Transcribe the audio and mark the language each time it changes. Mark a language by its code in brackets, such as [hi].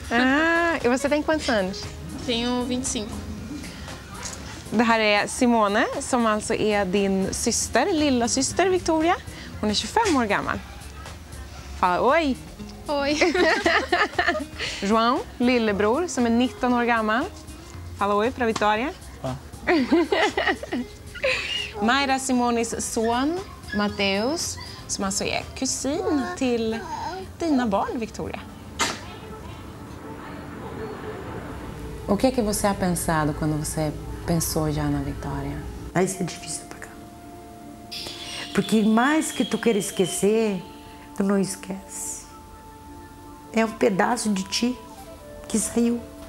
[pt] Ah, e você tem quantos anos? Tenho 25. [sv] Daria Simone, som alltså är din syster, lilla syster Victoria. Hon är 25 år gammal. [pt] Fala oi. Oi. [sv] João, lillebror, som är 19 år gammal. [pt] Fala oi para Vitória. [sv] Mayra Simonis son, Matteus, som alltså är kusin till dina barn, Victoria. [pt] O que é que você ha pensado quando você pensou já na Victoria? Vai ser difícil pra cá. Porque mais que tu queira esquecer, tu não esquece. É um pedaço de ti que saiu.